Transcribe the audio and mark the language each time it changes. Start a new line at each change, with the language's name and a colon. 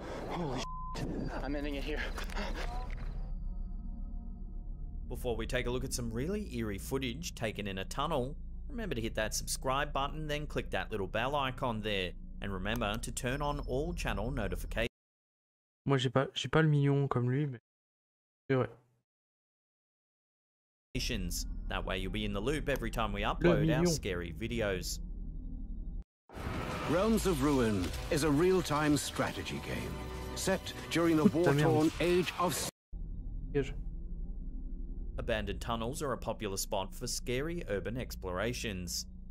English: Holy shit, I'm ending it here. Before we take a look at some really eerie footage taken in a tunnel, remember to hit that subscribe button, then click that little bell icon there, and remember to turn on all channel notifications.
French: Moi j'ai pas le million comme lui, mais c'est vrai.
English: That way you'll be in the loop every time we upload our scary videos. Realms of Ruin is a real-time strategy game set during the war-torn age of. Abandoned tunnels are a popular spot for scary urban explorations.